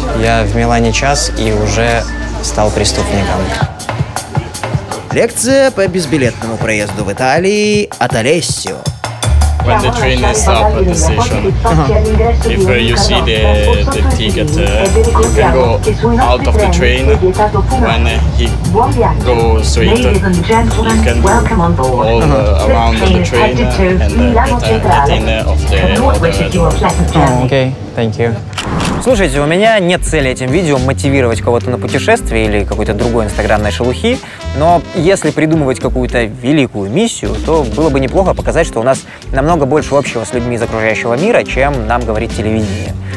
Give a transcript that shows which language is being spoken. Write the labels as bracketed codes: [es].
[ru] Я в Милане час и уже стал преступником. Лекция по безбилетному проезду в Италии от Олесио. [en] When the train is up at the station, if you see the ticket, you can go out of the train. When he goes straight, you can go all around the train and at the end of the door. Okay, thank you. [ru] Слушайте, у меня нет цели этим видео мотивировать кого-то на путешествие или какой-то другой инстаграмной шелухи, но если придумывать какую-то великую миссию, то было бы неплохо показать, что у нас намного больше общего с людьми из окружающего мира, чем нам говорит телевидение.